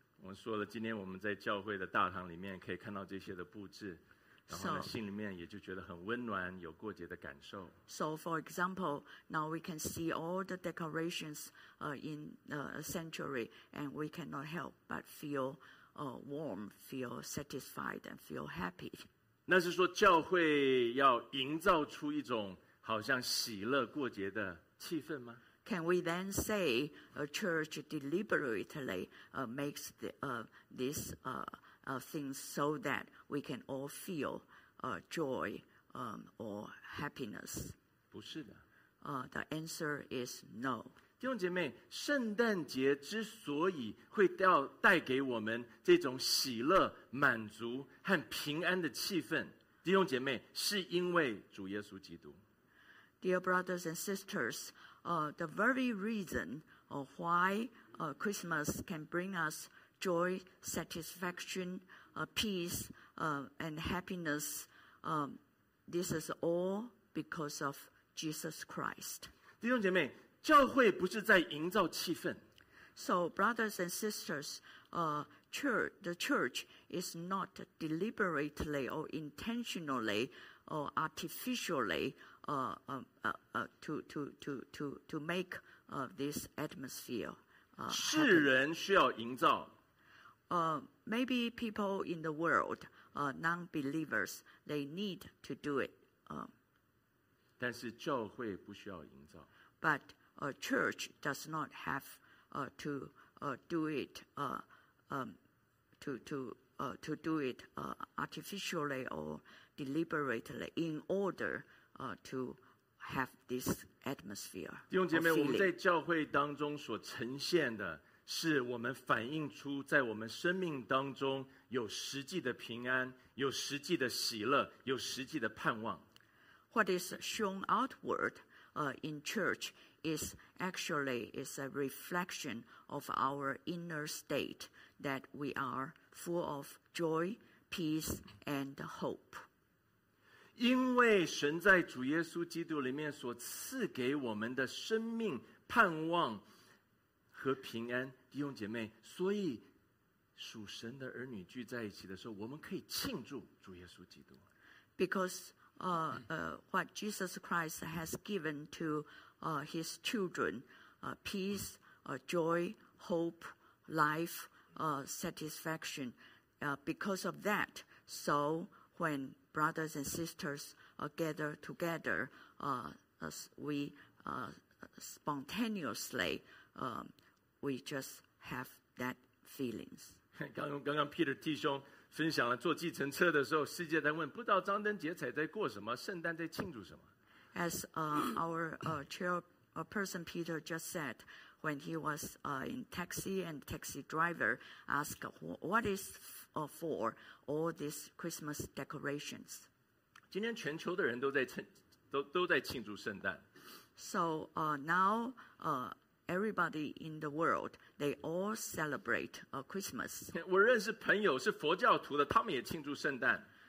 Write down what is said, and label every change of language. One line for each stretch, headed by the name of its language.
Chinese: 我们说了，今天我们在教会的大堂里面可以看到这些的布置，然后呢，心里面也就觉得很温暖，有过节的感受。
English: So for example, now we can see all the decorations in a sanctuary, and we cannot help but feel warm, feel satisfied, and feel happy.
Chinese: 那是说教会要营造出一种好像喜乐过节的气氛吗？
English: Can we then say a church deliberately makes the, this thing so that we can all feel joy or happiness?
Chinese: 不是的。
English: The answer is no.
Chinese: 弟兄姐妹，圣诞节之所以会带给我们这种喜乐、满足和平安的气氛，弟兄姐妹，是因为主耶稣基督。
English: Dear brothers and sisters, the very reason why Christmas can bring us joy, satisfaction, peace, and happiness, this is all because of Jesus Christ.
Chinese: 弟兄姐妹，教会不是在营造气氛。
English: So, brothers and sisters, the church is not deliberately or intentionally or artificially to make this atmosphere.
Chinese: 世人需要营造。
English: Maybe people in the world, non-believers, they need to do it.
Chinese: 但是教会不需要营造。
English: But a church does not have to do it artificially or deliberately in order to have this atmosphere.
Chinese: 弟兄姐妹，我们在教会当中所呈现的是我们反映出在我们生命当中有实际的平安，有实际的喜乐，有实际的盼望。
English: What is shown outward in church is actually is a reflection of our inner state that we are full of joy, peace, and hope.
Chinese: 因为神在主耶稣基督里面所赐给我们的生命、盼望和平安，弟兄姐妹，所以属神的儿女聚在一起的时候，我们可以庆祝主耶稣基督。
English: Because what Jesus Christ has given to his children, peace, joy, hope, life, satisfaction. Because of that, so when brothers and sisters gather together, we spontaneously, we just have that feelings.
Chinese: 刚刚 Peter 弟兄分享了坐计程车的时候，世界在问，不知道张灯结彩在过什么，圣诞在庆祝什么。
English: As our chairperson Peter just said, when he was in taxi and taxi driver asked, what is for all these Christmas decorations?
Chinese: 今天全球的人都在庆祝圣诞。
English: So now everybody in the world, they all celebrate Christmas.
Chinese: 我认识朋友是佛教徒的，他们也庆祝圣诞。